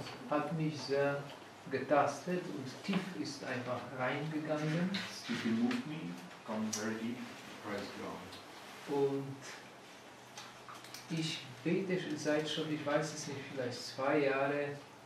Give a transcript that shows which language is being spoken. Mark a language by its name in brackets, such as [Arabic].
[German] hat mich sehr getastet und tief ist einfach reingegangen. [English] It's deeply moved me, gone very deep, praise God. [German] Und ich bete schon seit schon, ich weiß es nicht, vielleicht 2 Jahre.